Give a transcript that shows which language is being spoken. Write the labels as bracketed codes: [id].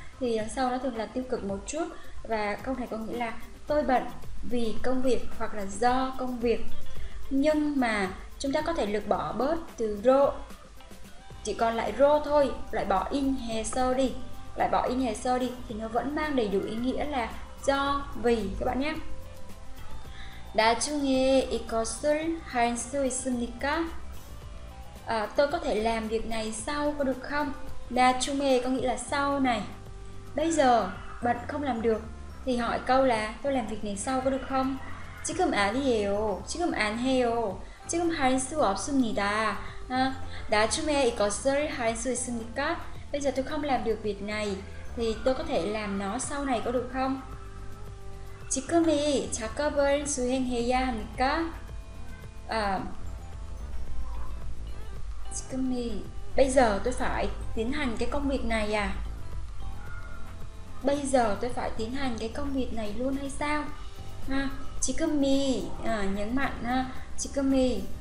[vi] Thì đằng sau nó thường là tiêu cực một chút. Và câu này có nghĩa là tôi bận vì công việc hoặc là do công việc. Nhưng mà chúng ta có thể lược bỏ bớt từ ro, chỉ còn lại ro thôi, lại bỏ in hề sơ đi, lại bỏ in hề sơ đi, thì nó vẫn mang đầy đủ ý nghĩa là do vì các bạn nhé. [ko] 나중에 이것을 할 수 있습니까? [vi] Tôi có thể làm việc này sau có được không? 나중에 có nghĩa là sau này. Bây giờ bận không làm được thì hỏi câu là tôi làm việc này sau có được không? [ko] 지금 아니에요. 지금 안 해요. 지금 할 수 없습니다. 나중에 이것을 할 수 있습니까? [vi] Bây giờ tôi không làm được việc này thì tôi có thể làm nó sau này có được không? [ko] 지금이 작업을 수행해야 합니까? [vi] 지금이 bây giờ tôi phải tiến hành cái công việc này à? Bây giờ tôi phải tiến hành cái công việc này luôn hay sao? Chikumi, nhấn mạnh ha. Chikumi.